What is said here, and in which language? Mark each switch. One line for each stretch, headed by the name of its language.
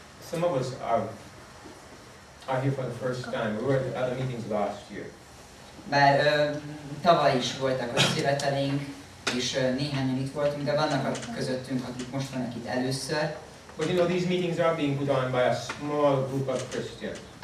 English: Some of us are here for the first time. We were at the meetings last year.
Hungarian: Bár tavaly is voltak az összejövetelénk, és néhányan itt voltunk, de vannak a közöttünk, akik most vannak itt először.
English: But you know, these meetings are being put on by a small group of Christians.